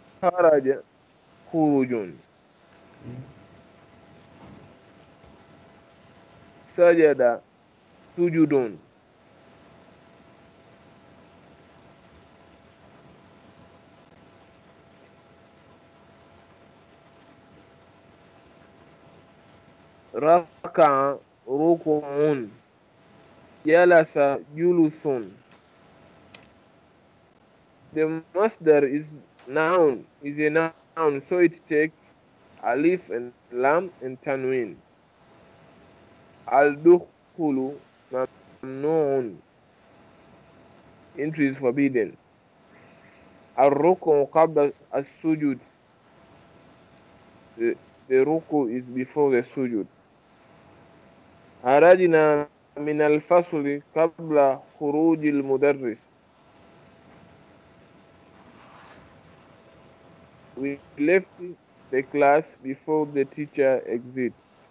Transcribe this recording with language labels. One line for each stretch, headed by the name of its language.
Arabic: خرج خروجون سجد سجودون ركع ركوعون جلس جلوسون.
English: The مصدر is noun, is a noun, so it takes alif and lam and tanwin.
Arabic: الدخول ممنوع.
English: Entry is forbidden.
Arabic: الركوع قبل السجود.
English: The ركوع is before the سجود.
Arabic: خرجنا من الفصل قبل خروج المدرس.
English: We left the class before the teacher exits.